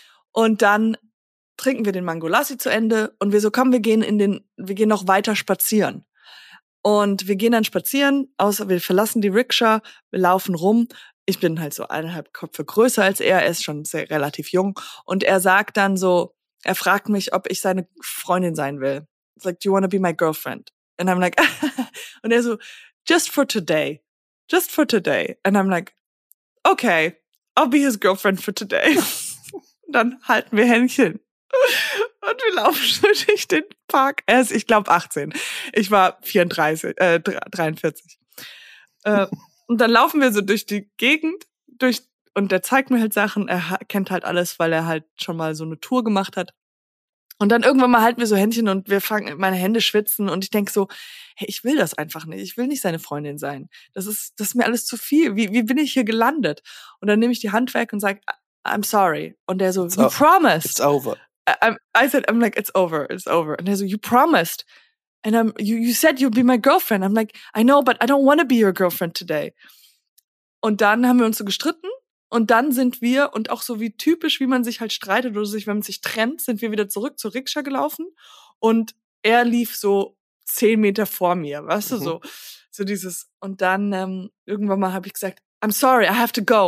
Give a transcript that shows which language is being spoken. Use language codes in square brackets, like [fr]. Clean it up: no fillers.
[de] Und dann trinken wir den Mango lassi zu Ende und wir so, komm, wir gehen noch weiter spazieren. Und wir gehen dann spazieren, außer wir verlassen die Rikscha, wir laufen rum. Ich bin halt so eineinhalb Köpfe größer als er. Er ist schon sehr relativ jung. Und er sagt dann so, er fragt mich, ob ich seine Freundin sein will. [en] It's like, do you want to be my girlfriend? And I'm like, [de] und er so, [en] just for today. And I'm like, okay, I'll be his girlfriend for today. [de] Dann halten wir Händchen. Und wir laufen schon durch den Park. Er ist, ich glaube, 18. Ich war 43. Und dann laufen wir so durch die Gegend und er zeigt mir halt Sachen, er kennt halt alles, weil er halt schon mal so eine Tour gemacht hat. Und dann irgendwann mal halten wir so Händchen und meine Hände schwitzen und ich denke so, hey, ich will das einfach nicht, ich will nicht seine Freundin sein. Das ist mir alles zu viel, wie bin ich hier gelandet? Und dann nehme ich die Hand weg und sage, [en] I'm sorry. [de] Und er so, [en] it's you over. Promised. It's over. I'm like, it's over. And [de] er so, [en] you promised. And you said you'd be my girlfriend. I'm like, I know, but I don't want to be your girlfriend today. [de] Und dann haben wir uns so gestritten. Und dann sind wir, und auch so wie typisch, wie man sich halt streitet oder sich, wenn man sich trennt, sind wir wieder zurück zur Rikscha gelaufen. Und er lief so 10 Meter vor mir, weißt du, so dieses. Und dann irgendwann mal habe ich gesagt, [en] I'm sorry, I have to go.